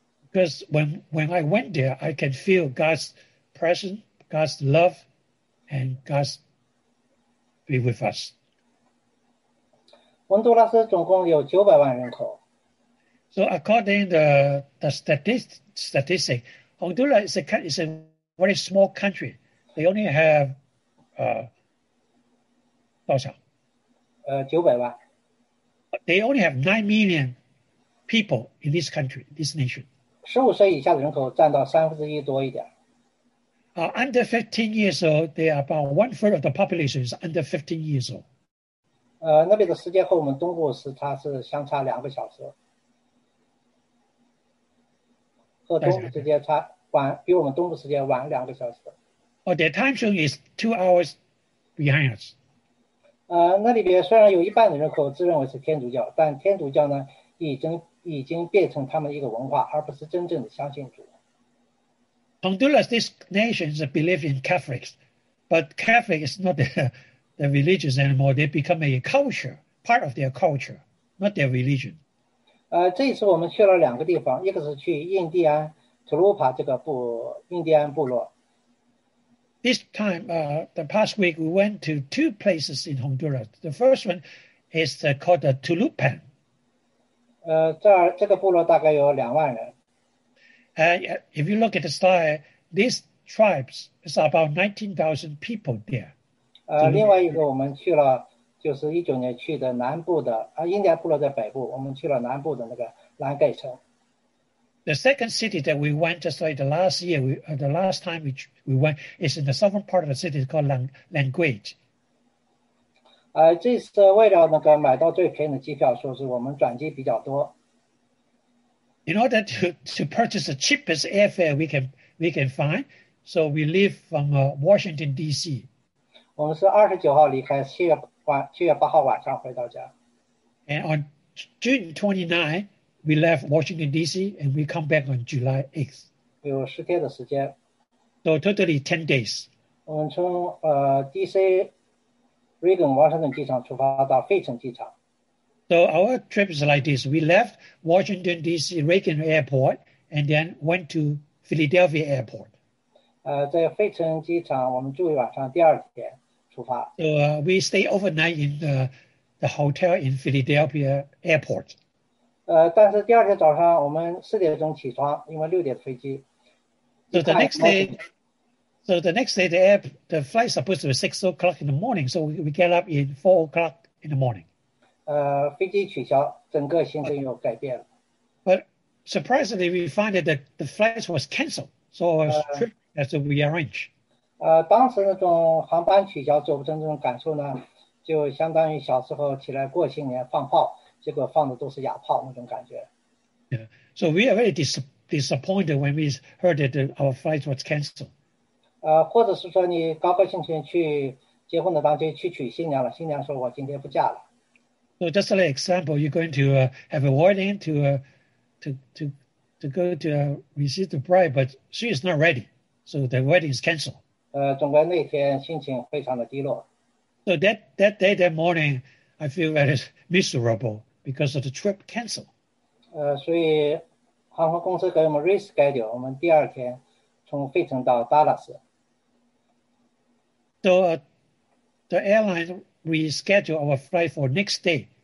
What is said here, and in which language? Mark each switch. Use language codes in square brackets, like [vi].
[en] Because when I went there, I can feel God's presence, God's love, and God's be with us. [zh] 温都拉斯总共有900万人口。 [en] So according the statistic, Honduras is a very small country. They only have [zh] 多少？ 900万。 [en] They only have 9 million. People in this country, this nation. [zh] 15岁以下的人口占到三分之一多一点。 [en] Under 15 years old, they are about 1/3 of the population is under 15 years old. [zh] 那边的时间和我们东部时差是相差2个小时，和但东是，部时间差晚，比我们东部时间晚2个小时。 [en] 哦，their time zone is 2 hours behind us. [zh] 那里边虽然有一半的人口自认为是天主教，但天主教呢，已经变成他们一个文化，而不是真正的相信主。 [en] Honduras, this nation, is a belief in Catholics, but Catholic is not the religious anymore. They become a culture, part of their culture, not their religion. [zh] 这一次我们去了2个地方，一个是去印第安图鲁帕这个部印第安部落。 [en] This time, the past week, we went to two places in Honduras. The first one is called the Tulupan. [zh] 这个部落大概有2万人。 [en] If you look at the slide, these tribes is about 19,000 people there. [zh] 另外一个我们去了，就是2019年去的南部的，印第安部落在北部，我们去了南部的那个兰盖城。 [en] The second city that we went just like the last year, the last time we went is in the southern part of the city, it's called Langueid. [zh] 这次为了那个买到最便宜的机票，说是我们转机比较多。 [en] In order to purchase the cheapest airfare we can find, so we leave from Washington, D.C. [zh] 我们是29号离开，7月8号晚上回到家。 [en] And on June 29th, we left Washington, D.C. and we come back on July 8th. [zh] 有10天的时间。 [en] So totally 10 days. [zh] 我们从DC Reagan 华盛顿机场出发到费城机场。 [en] So our trip is like this. We left Washington, D.C., Reagan Airport, and then went to Philadelphia Airport. [zh] 在费城机场，我们住一晚上，第二天出发。 [en] So we stay overnight in the hotel in Philadelphia Airport. [zh] 但是第二天早上，我们4点钟起床，因为6点飞机，一看没什么。 [en] So the next day, the flight is supposed to be 6 o'clock in the morning. So we get up at 4 o'clock in the morning. [zh] 飞机取消，整个行程又改变了。 [en] But surprisingly, we find that the flight was canceled. So our trip has to rearrange. [zh] 当时那种航班取消，走不成这种感受呢，就相当于小时候起来过新年放炮，结果放的都是哑炮那种感觉。 [en] Yeah. So we are very disappointed when we heard that our flight was canceled. [zh] 或者是说你高高兴兴去结婚的当天去娶新娘了，新娘说我今天不嫁了。 [en] So just an example, you're going to have a wedding to go to receive the bride, but she is not ready. So the wedding is canceled. [zh] 总归那天心情非常的低落。 [en] So that day, that morning, I feel very miserable because of the trip canceled. [zh] 所以航空公司给我们 reschedule，我们第二天从费城到 Dallas。 [en] So the airline reschedule our flight for next day.